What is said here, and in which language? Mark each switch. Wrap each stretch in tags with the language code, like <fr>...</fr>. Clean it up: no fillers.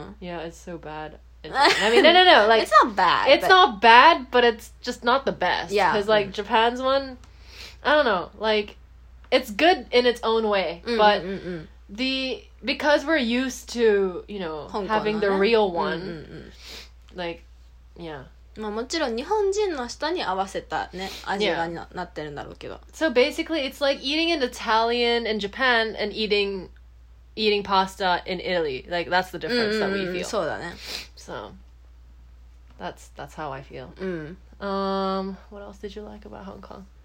<en>Yeah, it's so bad. I mean, no. Like, it's not bad. It's not bad, but it's just not the best. Yeah. Because, like, Japan's one, I don't know. Like, it's good in its own way. But the... Because we're used to, you know, having the real one. Like, yeah.</en> <ja>まあ、もちろん日本人の人に合わせたね、味がなってるんだろうけど。</ja> <en>So, basically, it's like eating an Italian in Japan and eating pasta in Italy. Like, that's the difference that we feel.</en> <ja>そうだね。</ja> <en>So, that's how I feel. What else did you like about Hong Kong?</en>